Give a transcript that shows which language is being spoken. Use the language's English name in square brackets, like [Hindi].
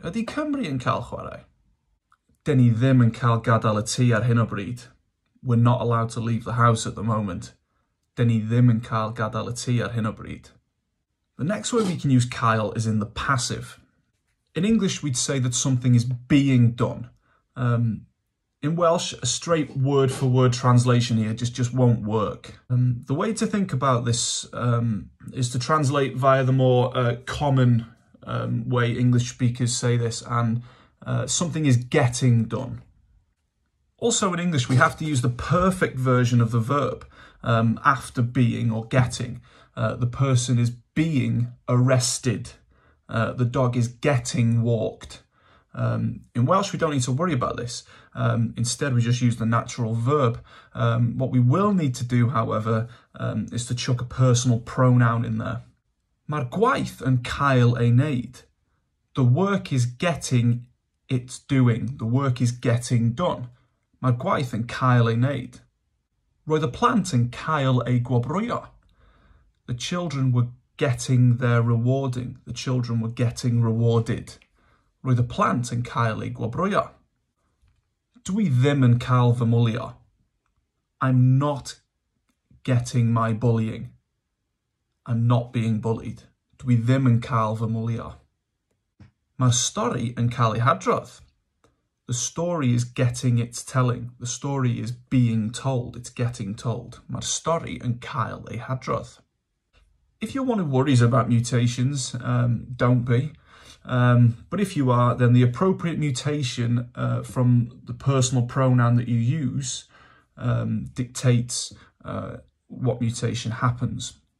[Welsh] Ydy Cymru yn cael chwarae? Dyn ni ddim yn cael gadael y tŷ ar hyn o bryd. [English] We're not allowed to leave the house at the moment. [Welsh] Dyn ni ddim yn cael gadael y tŷ ar hyn o bryd. [English] The next way we can use cael is in the passive. In English, we'd say that something is being done. In Welsh, a straight word-for-word translation here just won't work. The way to think about this is to translate via the more common way English speakers say this, and something is getting done. Also in English, we have to use the perfect version of the verb. After being or getting, the person is being arrested. The dog is getting walked. In Welsh, we don't need to worry about this. Instead, we just use the natural verb. What we will need to do, however, is to chuck a personal pronoun in there. [Welsh] Mae'r gwaith yn cael ei wneud. [English] The work is getting it's doing. The work is getting done. [Welsh] Mae'r gwaith yn cael ei wneud. Roedd y plant yn cael eu gwobrwyo. [English] The children were getting their rewarding. The children were getting rewarded. [Welsh] Roedd y plant yn cael eu gwobrwyo. Dwi ddim yn cael fy mwlio. [English] I'm not getting my bullying. I'm not being bullied. [Welsh] Dwi ddim yn cael fy mwlio. Mae'r stori yn cael ei hadrodd. [English] The story is getting its telling. The story is being told. It's getting told. [Welsh] Mae'r stori yn cael ei hadrodd. [English] If you're one who worries about mutations, don't be. But if you are, then the appropriate mutation from the personal pronoun that you use dictates what mutation happens.